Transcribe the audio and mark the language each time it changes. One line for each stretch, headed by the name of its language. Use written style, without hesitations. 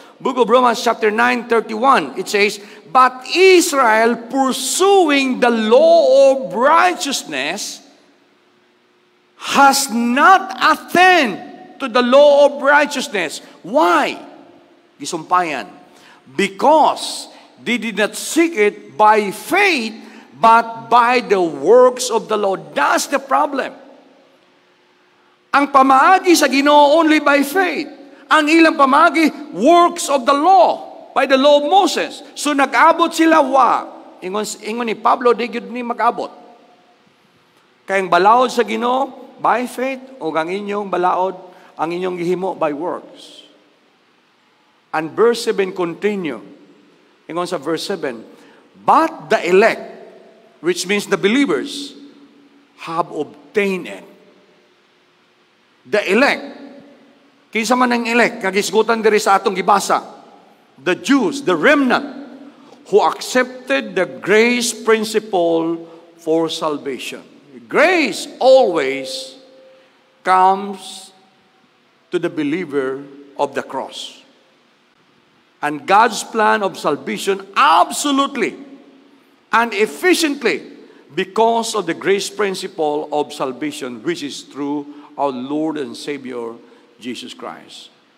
English: Book of Romans chapter 9 31, it says, but Israel pursuing the law of righteousness has not attained to the law of righteousness. Why? Gisumpayan. Because they did not seek it by faith but by the works of the law. That's the problem.
Cebuano: Ang pamaagi sa Ginoo
English: only by faith.
Cebuano: Ang ilang pamaagi,
English: works of the law, by the law of Moses.
Cebuano: So nag-abot sila wa. Ingon ni Pablo, di gud ni mag-abot. Kayang balaod sa Ginoo
English: by faith,
Cebuano: o ang inyong balaod, ang inyong gihimo
English: by works. And verse 7 continue.
Cebuano: Ingon sa
English: verse 7, but the elect, which means the believers, have obtained it. The elect.
Cebuano: Kinsa man ang elect, kagisgutan diri sa atong gibasa.
English: The Jews, the remnant, who accepted the grace principle for salvation. Grace always comes to the believer of the cross. And God's plan of salvation absolutely and efficiently because of the grace principle of salvation, which is through our Lord and Savior, Jesus Christ.